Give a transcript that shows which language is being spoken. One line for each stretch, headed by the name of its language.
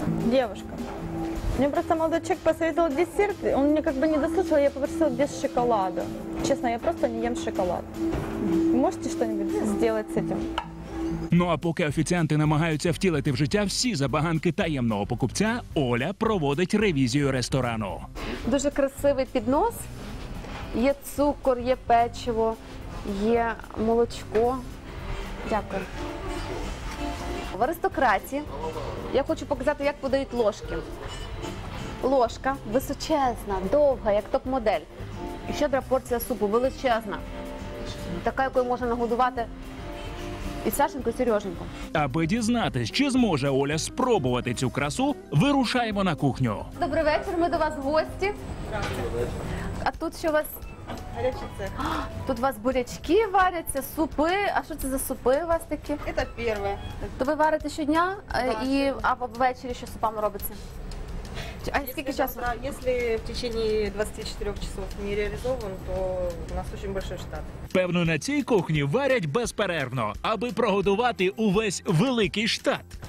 Russian: Девушка, мне просто молодой человек посоветовал десерт, он мне как бы не дослушал, я попросила без шоколада. Честно, я просто не ем шоколад. Можете что-нибудь сделать с этим?
Ukrainian: Ну а поки офіціанти намагаються втілити в життя всі забаганки таємного покупця, Оля проводить ревізію ресторану. Дуже красивий піднос. Є цукор, є печиво, є молочко. Дякую. В аристократі я хочу показати, як подають ложки. Ложка височезна, довга, як топ-модель. І щедра порція супу, величезна. Така, якою можна нагодувати і Сашеньку, і Сереженьку. Аби дізнатись, чи зможе Оля спробувати цю красу, вирушаємо на кухню. Добрий вечір, ми до вас гості. А тут що у вас? Тут у вас бурячки варяться, супи. А що це за супи у вас такі? Це перше. То ви варите щодня, а ввечері що супами робиться? А скільки часу? Якщо
Russian: в течение 24 часов
Ukrainian: не реалізовано, то у нас дуже великий штат. Певно, на цій кухні варять безперервно, аби прогодувати увесь великий штат.